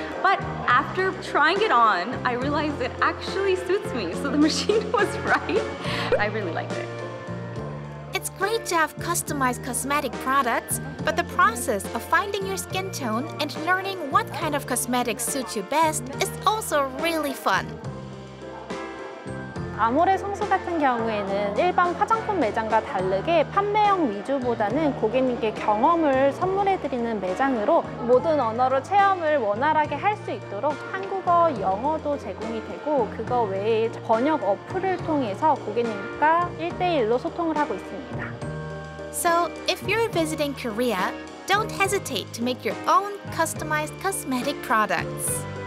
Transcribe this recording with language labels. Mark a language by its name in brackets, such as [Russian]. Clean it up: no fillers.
[English] But after trying it on, I realized it actually suits me, so the machine was right. I really liked it. It's great to have customized cosmetic products, but the process of finding your skin tone and learning what kind of cosmetics suit you best is also really fun. [Korean] 아모레 성수 같은 경우에는 일반 화장품 매장과 다르게 판매형 위주보다는 고객님께 경험을 선물해드리는 매장으로 모든 언어로 체험을 원활하게 할 수 있도록 한국어, 영어도 제공이 되고 그거 외에 번역 어플을 통해서 고객님과 1대1로 소통을 하고 있습니다. [English] So, if you're visiting Korea, don't hesitate to make your own customized cosmetic products.